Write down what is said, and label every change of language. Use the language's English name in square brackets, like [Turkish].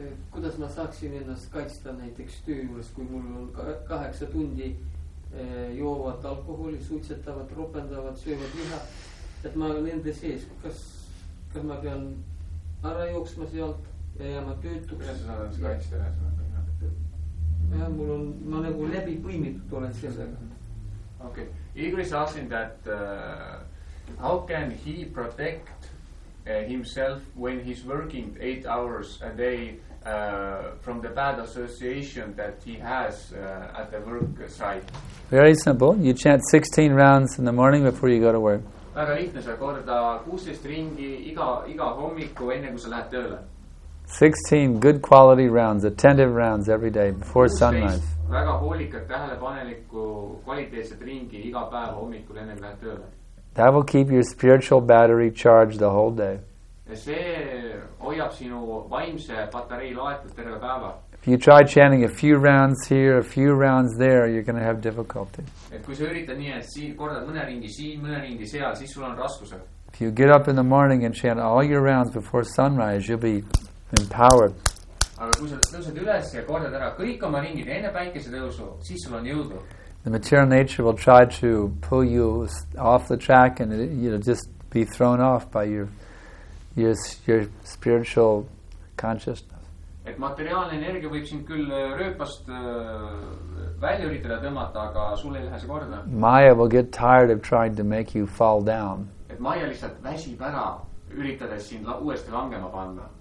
[Estonian] Kuidas ma saaksin ennast kaitsta näiteks töö juures, kui mul on 8 tundi joovad alkoholi, suitsetavad, ropendavad, söövad liha, et ma olen nende sees, kas ma pean ära jooksma sealt ja jääma töötuks? Kuidas sa olen kaitsta ära? Ja mul on, ma nagu läbi põimitud olen sellega. [English] Okay. Igor is asking that how can he protect himself when he's working 8 hours a day from the bad association that he has at the work site? Very simple. You chant 16 rounds in the morning before you go to work. [Estonian] Väga lihtne, sa korda 16 ringi iga hommiku enne kui sa lähed tööle. [English] 16 good quality rounds, attentive rounds every day before sunrise. [Estonian] Väga hoolikad tähelepaneliku kvaliteetsed ringi iga päev hommikul enne kui lähed tööle. [English] That will keep your spiritual battery charged the whole day. [Estonian] See hoiab sinu vaimse patarei laetud terve päeva. [English] If you try chanting a few rounds here, a few rounds there, you're going to have difficulty. [Estonian] Et kui sa üritad nii, et siin kordad mõne ringi siin, mõne ringi seal, siis sul on raskused. [English] If you get up in the morning and chant all your rounds before sunrise, you'll be empowered. [Estonian] Aga kui sa tõused üles ja kordad ära kõik oma ringid enne päikese tõusu, siis sul on jõudu. [English] The material nature will try to pull you off the track and you'll just be thrown off by your spiritual consciousness. [Estonian] Et materiaalne energia võib sind küll rööpast välja üritada tõmmata, aga sul ei lähe see korda. [English] Maya will get tired of trying to make you fall down. [Estonian] Et Maya lihtsalt väsib ära üritades sind uuesti langema panna.